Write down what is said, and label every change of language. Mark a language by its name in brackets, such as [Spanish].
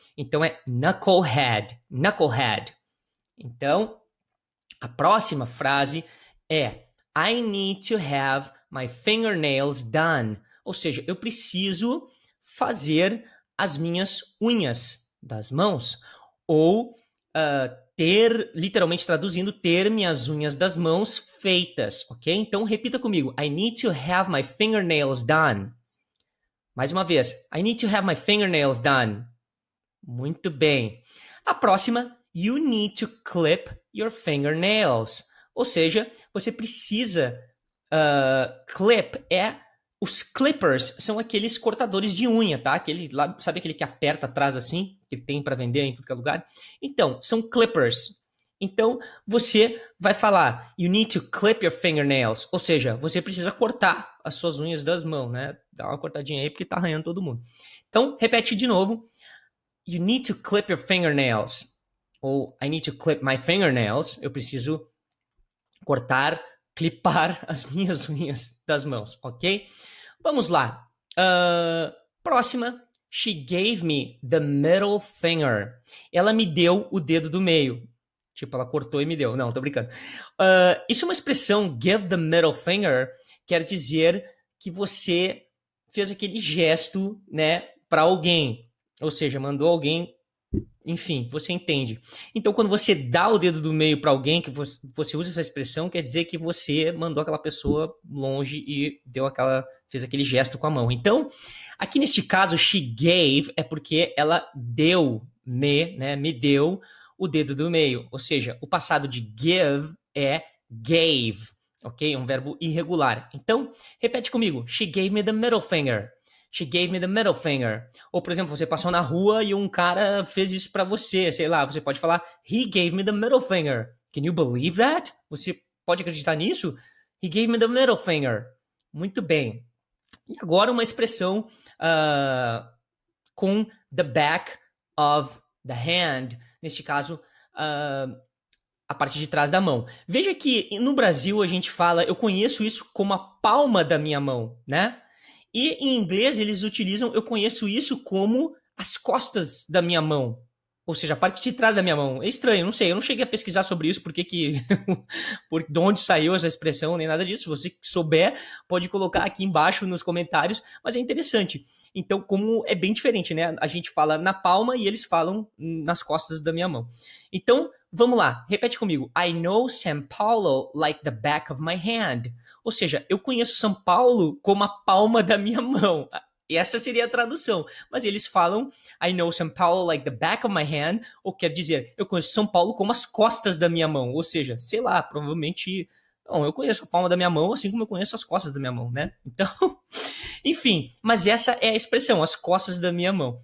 [Portuguese] Então é knucklehead. Então, a próxima frase é [English] I need to have my fingernails done. [Portuguese] Ou seja, eu preciso fazer as minhas unhas das mãos. Ou ter, literalmente traduzindo, ter minhas unhas das mãos feitas, ok? Então, repita comigo. [English] I need to have my fingernails done. [Portuguese] Mais uma vez. [English] I need to have my fingernails done. [Portuguese] Muito bem. A próxima, [English] you need to clip your fingernails. [Portuguese] Ou seja, você precisa... clip é... Os clippers são aqueles cortadores de unha, tá? Aquele lá, sabe aquele que aperta atrás assim? Que tem para vender em tudo que é lugar? Então, são clippers. Então, você vai falar, [English] you need to clip your fingernails. [Portuguese] Ou seja, você precisa cortar as suas unhas das mãos, né? Dá uma cortadinha aí porque tá arranhando todo mundo. Então, repete de novo. [English] you need to clip your fingernails. Ou I need to clip my fingernails. [Portuguese] Eu preciso cortar, clipar as minhas unhas das mãos, ok? Vamos lá. Próxima. [English] She gave me the middle finger. [Portuguese] Ela me deu o dedo do meio. Tipo, ela cortou e me deu. Não, tô brincando. Isso é uma expressão, [English] give the middle finger, [Portuguese] quer dizer que você fez aquele gesto, né, pra alguém. Ou seja, mandou alguém... Enfim, você entende. Então, quando você dá o dedo do meio pra alguém, que você usa essa expressão, quer dizer que você mandou aquela pessoa longe e deu aquela, fez aquele gesto com a mão. Então, aqui neste caso, she gave é porque ela deu, me, né, me deu o dedo do meio. Ou seja, o passado de give é gave, ok? É um verbo irregular. Então, repete comigo. [English] She gave me the middle finger. She gave me the middle finger. [Portuguese] Ou, por exemplo, você passou na rua e um cara fez isso pra você. Sei lá, você pode falar, [English] he gave me the middle finger. Can you believe that? [Portuguese] Você pode acreditar nisso? [English] He gave me the middle finger. [Portuguese] Muito bem. E agora uma expressão com [English] the back of the hand. [Portuguese] Neste caso, a parte de trás da mão. Veja que no Brasil a gente fala, eu conheço isso como a palma da minha mão, né? E em inglês eles utilizam, eu conheço isso como as costas da minha mão. Ou seja, a parte de trás da minha mão. É estranho, não sei, eu não cheguei a pesquisar sobre isso, de onde saiu essa expressão, nem nada disso. Se você souber, pode colocar aqui embaixo nos comentários, mas é interessante. Então, como é bem diferente, né? A gente fala na palma e eles falam nas costas da minha mão. Então, vamos lá, repete comigo. [English] I know São Paulo like the back of my hand. [Portuguese] Ou seja, eu conheço São Paulo como a palma da minha mão. Essa seria a tradução. Mas eles falam, [English] I know São Paulo like the back of my hand. [Portuguese] Ou quer dizer, eu conheço São Paulo como as costas da minha mão. Ou seja, sei lá, provavelmente... Bom, eu conheço a palma da minha mão assim como eu conheço as costas da minha mão, né? Então, enfim. Mas essa é a expressão, as costas da minha mão.